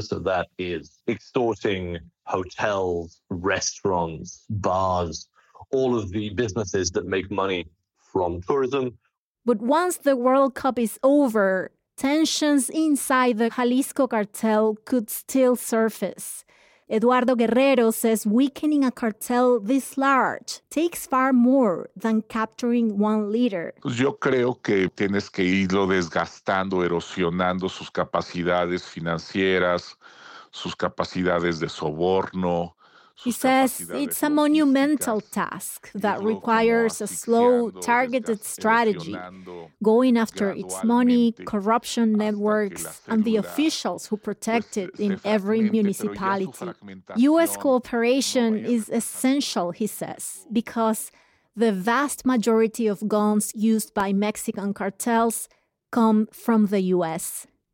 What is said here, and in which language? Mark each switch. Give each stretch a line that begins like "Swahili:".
English: So that is extorting hotels, restaurants, bars, all of the businesses that make money from tourism. But once the World Cup is over, tensions inside the Jalisco cartel could still surface. Eduardo Guerrero says weakening a cartel this large takes far more than capturing one leader.
Spanish: Yo creo que tienes que irlo desgastando, erosionando sus capacidades financieras, sus capacidades de soborno.
English: He says it's a monumental task that requires a slow, targeted strategy, going after its money, corruption networks, and the officials who protect it in every municipality. U.S. cooperation is essential, he says, because the vast majority of guns used by Mexican cartels come from the U.S.